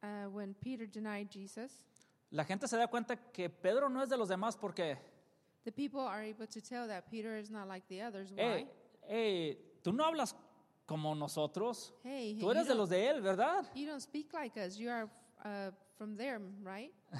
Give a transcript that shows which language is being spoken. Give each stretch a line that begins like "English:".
English: when Peter denied Jesus?
Spanish: La gente se da cuenta que Pedro no es de los demás porque
English: the people are able to tell that Peter is not like the others. Why?
Spanish: Hey, tú no hablas como nosotros. Hey, tú eres de los de él, ¿verdad?
English: You don't speak like us. You are from there, right?